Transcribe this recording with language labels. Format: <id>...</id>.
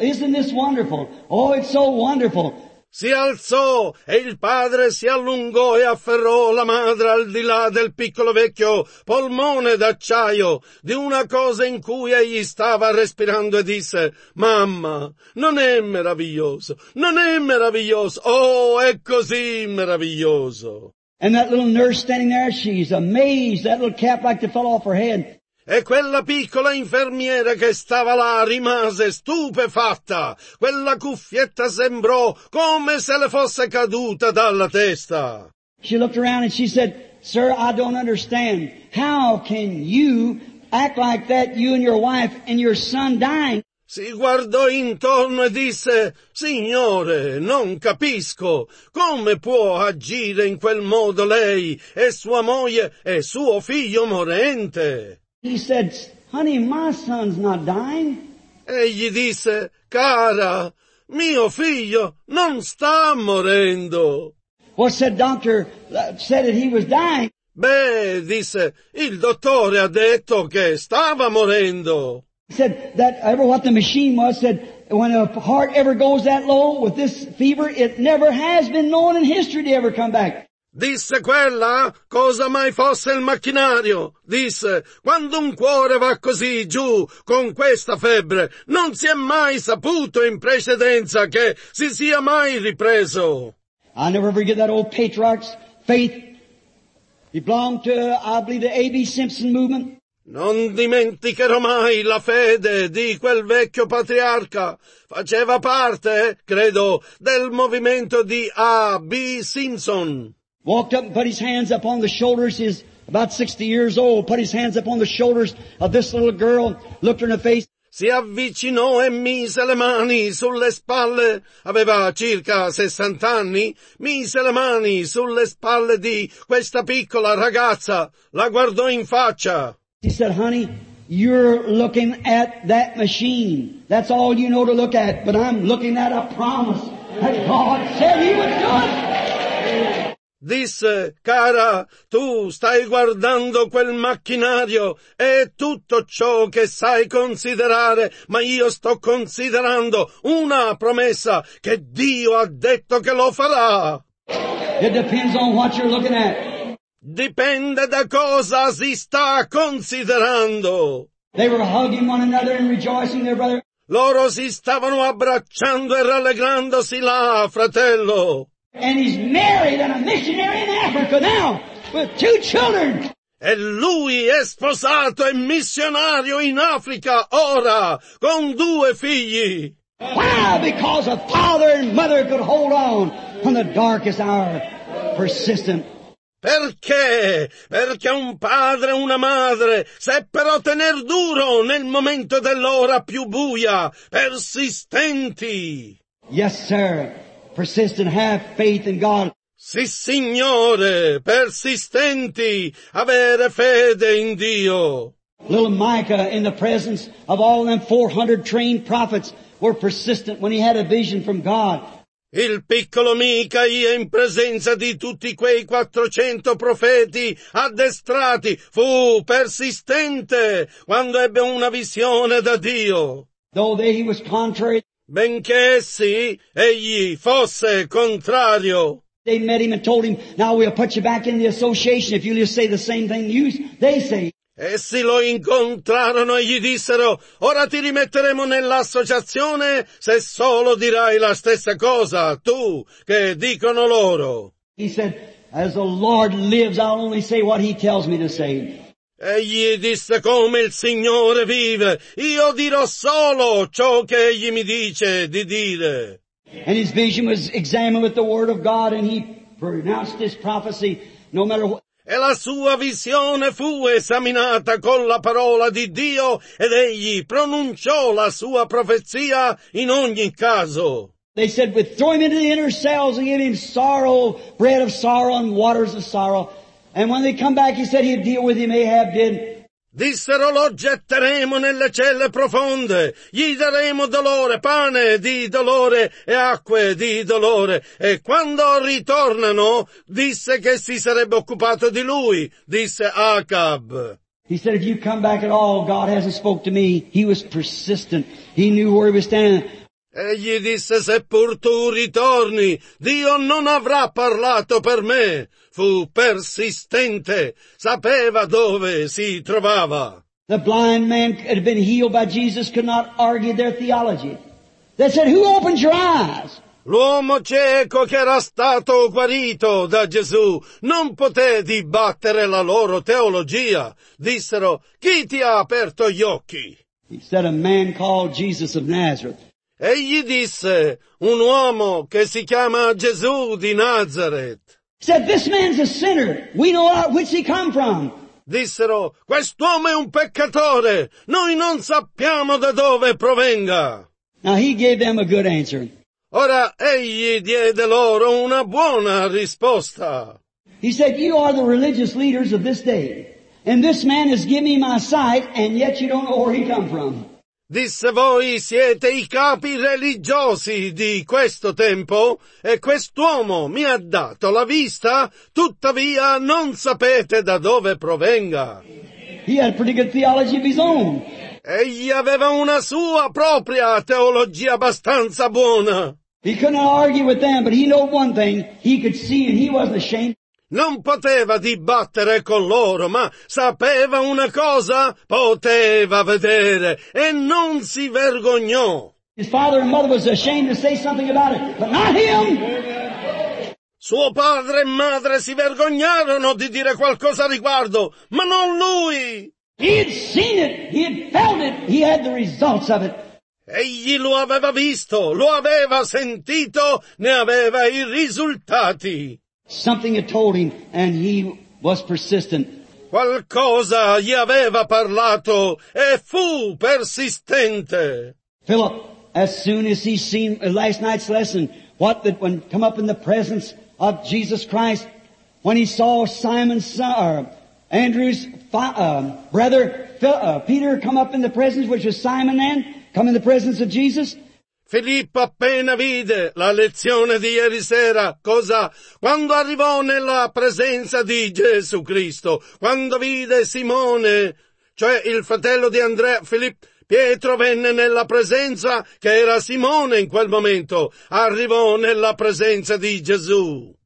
<en>Isn't this wonderful? Oh, it's so wonderful.</en> <it>Si alzò e il padre si allungò e afferrò la madre al di là del piccolo vecchio polmone d'acciaio di una cosa in cui egli stava respirando e disse, Mamma, non è meraviglioso? Non è meraviglioso? Oh, è così meraviglioso.</it> <en>And that little nurse standing there, she's amazed. That little cap like to fall off her head.</en> <it>E quella piccola infermiera che stava là rimase stupefatta. Quella cuffietta sembrò come se le fosse caduta dalla testa.</it> <en>She looked around and she said, Sir, I don't understand. How can you act like that, you and your wife and your son dying?</en> <it>Si guardò intorno e disse, Signore, non capisco, come può agire in quel modo lei e sua moglie e suo figlio morente?</it> <en>He said, Honey, my son's not dying.</en> <it>Egli disse, Cara, mio figlio non sta morendo.</it> <en>What said doctor said that he was dying?</en> <it>Beh, disse, il dottore ha detto che stava morendo.</it> <en>Said that ever what the machine was said when a heart ever goes that low with this fever it never has been known in history to ever come back.</en> <it>Disse quella cosa mai fosse il macchinario. Disse quando un cuore va così giù con questa febbre non si è mai saputo in precedenza che si sia mai ripreso.</it> <en>I never forget that old patriarch's faith. He belonged to I believe the A.B. Simpson movement.</en> <it>Non dimenticherò mai la fede di quel vecchio patriarca. Faceva parte, credo, del movimento di A.B. Simpson.</it> <en>Walked up and put his hands upon the shoulders. He's about 60 years old. Put his hands upon the shoulders of this little girl. Looked her in the face.</en> <it>Si avvicinò e mise le mani sulle spalle. Aveva circa 60 anni. Mise le mani sulle spalle di questa piccola ragazza. La guardò in faccia.</it> <en>He said, honey, you're looking at that machine. That's all you know to look at. But I'm looking at a promise that God said he would do it.</en> <it>Disse, cara, tu stai guardando quel macchinario. È tutto ciò che sai considerare. Ma io sto considerando una promessa che Dio ha detto che lo farà.</it> <en>It depends on what you're looking at.</en> <it>Dipende da cosa si sta considerando.</it> <en>They were hugging one another and rejoicing their brother.</en> <it>Loro si stavano abbracciando e rallegrandosi là, fratello.</it> <en>And he's married and a missionary in Africa now with two children.</en> <it>E lui è sposato e missionario in Africa ora con due figli.</it> <en>Why? Because a father and mother could hold on in the darkest hour, persistent.</en> <it>Perché? Perché un padre e una madre seppero tener duro nel momento dell'ora più buia, persistenti.</it> <en>Yes, sir. Persist and have faith in God.</en> <it>Sì, signore, persistenti, avere fede in Dio.</it> <en>Little Micah, in the presence of all them 400 trained prophets, were persistent when he had a vision from God.</en> <it>Il piccolo Micaia, in presenza di tutti quei 400 profeti addestrati, fu persistente quando ebbe una visione da Dio.</it> <en>Though they was contrary,</en> <it>benché essi, egli fosse contrario.</it> <en>They met him and told him, now we'll put you back in the association if you just say the same thing they say.</en> <it>Essi lo incontrarono e gli dissero, ora ti rimetteremo nell'associazione se solo dirai la stessa cosa, tu, che dicono loro.</it> <en>He said, as the Lord lives, I'll only say what he tells me to say.</en> <it>Egli disse, come il Signore vive, io dirò solo ciò che egli mi dice di dire.</it> <en>And his vision was examined with the word of God and he pronounced this prophecy no matter what.</en> <it>E la sua visione fu esaminata con la parola di Dio ed egli pronunciò la sua profezia in ogni caso.</it> <en>They said, we throw him into the inner cells and give him sorrow, bread of sorrow and waters of sorrow. And when they come back, he said he'd deal with him, Ahab did.</en> <it>Dissero, lo getteremo nelle celle profonde, gli daremo dolore, pane di dolore e acque di dolore. E quando ritornano, disse che si sarebbe occupato di lui, disse Acab.</it> <en>He said, if you come back at all, God hasn't spoke to me. He was persistent. He knew where he was standing.</en> <it>Egli disse, seppur tu ritorni, Dio non avrà parlato per me. Fu persistente, sapeva dove si trovava.</it> <en>The blind man had been healed by Jesus, could not argue their theology. They said, who opened your eyes?</en> <it>L'uomo cieco che era stato guarito da Gesù non poté dibattere la loro teologia. Dissero, chi ti ha aperto gli occhi?</it> <en>He said, a man called Jesus of Nazareth.</en> <it>Egli disse, un uomo che si chiama Gesù di Nazareth.</it> <en>Said, this man's a sinner. We know out which he come from.</en> <it>Dissero, quest'uomo è un peccatore. Noi non sappiamo da dove provenga.</it> <en>Now he gave them a good answer.</en> <it>Ora egli diede loro una buona risposta.</it> <en>He said, you are the religious leaders of this day. And this man has given me my sight, and yet you don't know where he come from.</en> <it>Disse, voi siete i capi religiosi di questo tempo e quest'uomo mi ha dato la vista, tuttavia non sapete da dove provenga.</it> <en>He had a pretty good theology of his own.</en> <it>Egli aveva una sua propria teologia abbastanza buona.</it> <en>He couldn't argue with them, but he knew one thing, he could see and he wasn't ashamed.</en> <it>Non poteva dibattere con loro, ma sapeva una cosa, poteva vedere, e non si vergognò.</it> <en>His father and mother was ashamed to say something about it, but not him!</en> <it>Suo padre e madre si vergognarono di dire qualcosa a riguardo, ma non lui!</it> <en>He had seen it, he had felt it, he had the results of it.</en> <it>Egli lo aveva visto, lo aveva sentito, ne aveva i risultati.</it> <en>Something had told him, and he was persistent.</en> <it>Qualcosa gli aveva parlato, e fu persistente.</it> <en>Philip, as soon as he seen last night's lesson, what that when come up in the presence of Jesus Christ, when he saw Simon's son, or Andrew's brother, Peter, come up in the presence, which was Simon then, come in the presence of Jesus,</en> <it>Filippo appena vide la lezione di ieri sera, cosa? Quando arrivò nella presenza di Gesù Cristo, quando vide Simone, cioè il fratello di Andrea, Filippo, Pietro venne nella presenza, che era Simone in quel momento, arrivò nella presenza di Gesù.</it>